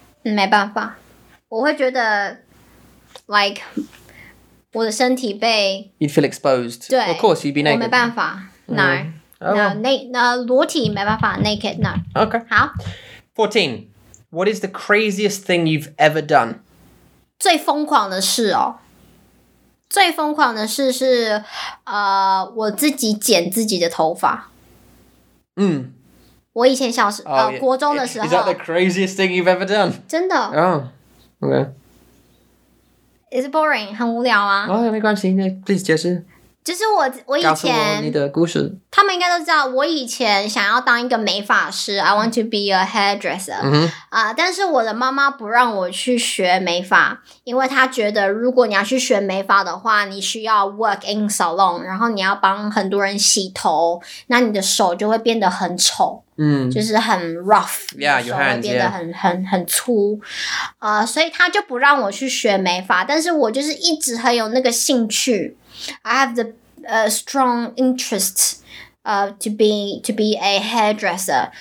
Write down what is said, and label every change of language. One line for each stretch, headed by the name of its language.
Chinese: 没办法，我会觉得 ，
English: like
Chinese: 我的身体被。
English: You'd feel exposed.
Chinese: 对
English: ，Of course you'd be naked.
Chinese: 我没办法 ，
English: no，
Chinese: 裸体没办法 ，
English: naked no. Okay.
Chinese: 好。
English: 14. What is the craziest thing you've ever done?
Chinese: 最疯狂的事哦。最疯狂的事是，我自己剪自己的头发。我以前小时，国中的时候。
English: Is that the craziest thing you've ever done?
Chinese: 真的。
English: Okay. Is it boring?
Chinese: 很无聊啊。哦，没关系，那
English: please
Chinese: 解释。就是我以前告诉我你的故事，他们应该都知道我以前想要当一个美发师
English: I want to be a hairdresser、嗯
Chinese: 但是我的妈妈不让我去学美发，因为她觉得如果你要去学美发的话，你需要
English: work in salon，
Chinese: 然后你要帮很多人洗头，那你的手就会变得很丑，嗯，就是很
English: rough， yeah, your hands,
Chinese: 手会变得很、
English: yeah.
Chinese: 很粗，所以她就不让我去学美发，但是我就是一直很有那个兴趣。
English: I have the strong interest to be a hairdresser.